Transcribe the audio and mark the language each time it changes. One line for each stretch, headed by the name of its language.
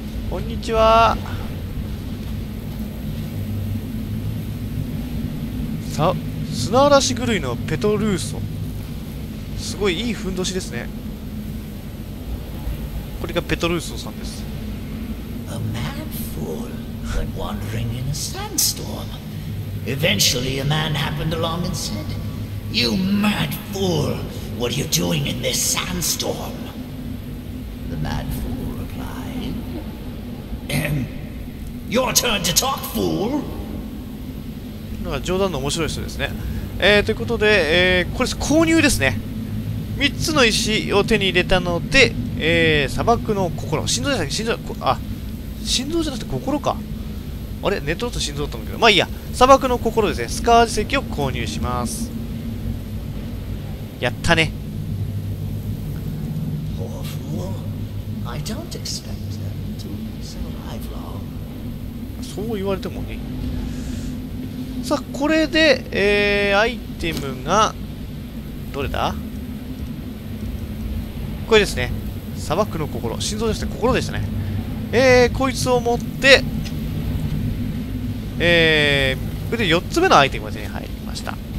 Japanese: こんにちは。さ、砂嵐狂いのペトルーソ。すごいいいふんどしですね。これがペトルーソさんです。
English: A mad fool went wandering in a sandstorm. Eventually, a man happened along and said, "You mad fool, what are you doing in this sandstorm?" The mad fool replied, "Your turn to talk, fool."
Japanese: なんか冗談の面白い人ですね。ということで、これ購入ですね。 3つの石を手に入れたので、砂漠の心、心臓じゃない、心臓、あ。心臓じゃなくて心か。あれ、ネットだと心臓だったんだけど、まあいいや。砂漠の心ですね。スカージ石を購入します。やったね。ポアフォー、
English: I don't expect them to survive long.
Japanese: そう言われてもね。さあ、これで、アイテムがどれだ。これですね。砂漠の心、心臓じゃなくて心でしたね。こいつを持って、これで4つ目のアイテムが手に入りました。